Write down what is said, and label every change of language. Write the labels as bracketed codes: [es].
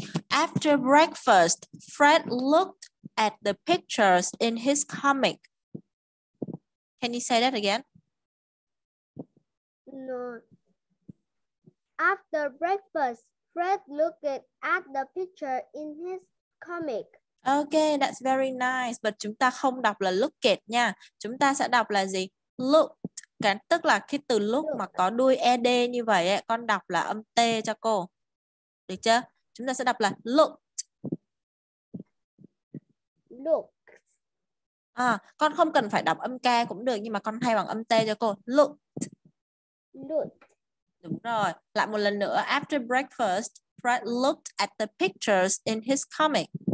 [en] After breakfast, Fred looked at the pictures in his comic. Can you say that again? No. After breakfast, Fred looked at the picture in his comic. Ok, that's very nice. [vi] But chúng ta không đọc là look at nha. Chúng ta sẽ đọc là gì? Looked. Cái, tức là cái từ look mà có đuôi ed như vậy ấy, con đọc là âm t cho cô. Được chưa? Chúng ta sẽ đọc là looked. [en] Looked. [vi] À, con không cần phải đọc âm k cũng được nhưng mà con thay bằng âm t cho cô. [en] Looked. Looked. [vi] Đúng rồi. Lại một lần nữa. [en] After breakfast, Fred looked at the pictures in his comic.